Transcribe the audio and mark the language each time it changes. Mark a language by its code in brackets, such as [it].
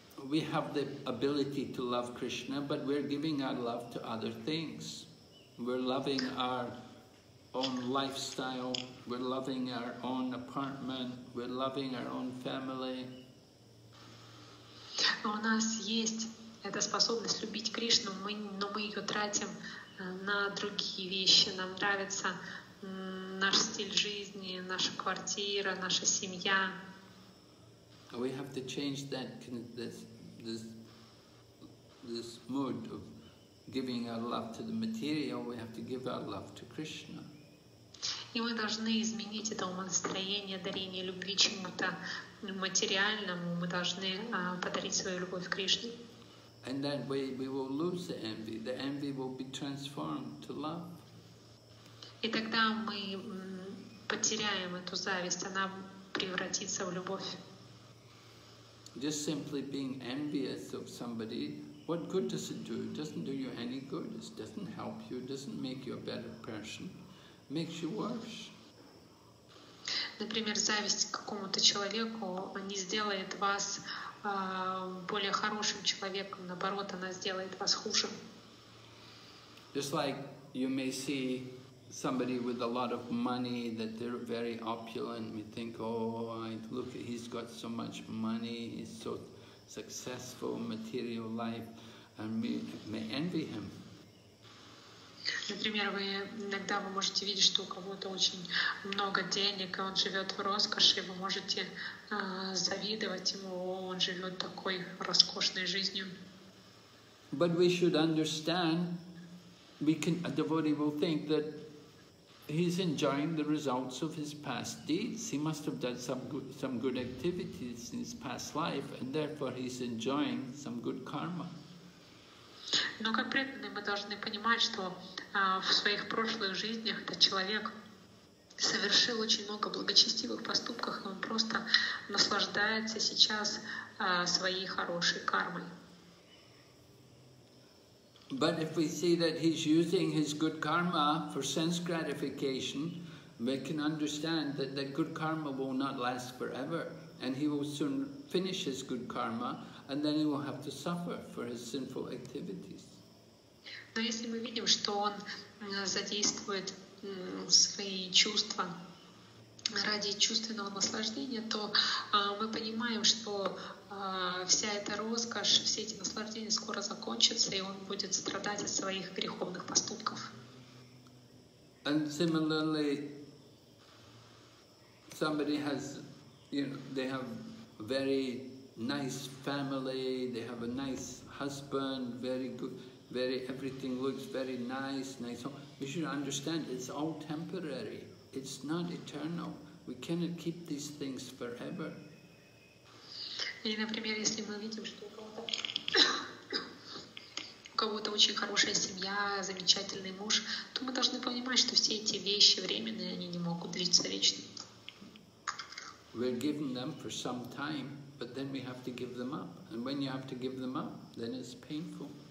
[en] We have the ability to love Krishna, but we're giving our love to other things. We're loving our own lifestyle, we're loving our own apartment, we're loving our own family. [ru] У нас есть эта способность любить Кришну, но мы ее тратим на другие вещи. Нам нравится наш стиль жизни, наша квартира, наша семья. [en] We have to change that this mood of giving our love to the material. We have to give our love to Krishna. [ru] И мы должны изменить это умонастроение, дарение любви чему-то материальному. Мы должны подарить свою любовь Кришне. [en] And that way we will lose the envy. The envy will be transformed to love. [ru] И тогда мы потеряем эту зависть, она превратится в любовь. [en] Just simply being envious of somebody, what good does it do? It doesn't do you any good. It doesn't help you. It doesn't make you a better person. Makes you worse. [ru] Например, зависть к какому-то человеку не сделает вас более хорошим человеком, наоборот, она сделает вас хуже. [en] Just like you may see somebody with a lot of money, that they're very opulent, we think, oh, look, he's got so much money, he's so successful in material life, and we may envy him. [ru] Например, вы иногда вы можете видеть, что у кого-то очень много денег, и он живет в роскоши, и вы можете завидовать ему, он живет такой роскошной жизнью. [en] But we should understand, a devotee will think that he's enjoying the results of his past deeds. He must have done some good activities in his past life, and therefore he's enjoying some good karma. [ru] Но как преданные мы должны понимать, что в своих прошлых жизнях этот человек совершил очень много благочестивых поступков, и он просто наслаждается сейчас своей хорошей кармой. [en] But if we see that he's using his good karma for sense gratification, we can understand that that good karma will not last forever, and he will soon finish his good karma, and then he will have to suffer for his sinful activities. [ru] Но если мы видим, что он задействует свои чувства ради чувственного наслаждения, то мы понимаем, что вся эта роскошь, все эти наслаждения скоро закончатся, и он будет страдать от своих греховных поступков. [en] And similarly, somebody has, you know, they have very nice family, they have a nice husband, very good, very everything looks very nice, nice home. We should understand it's all temporary, it's not eternal. We cannot keep these things forever. [ru] И, например, если мы видим, что у кого-то очень хорошая семья, замечательный муж, то мы должны понимать, что все эти вещи временные, они не могут длиться вечно. [en] We're giving them for some time, but then we have to give them up. And when you have to give them up, then it's painful.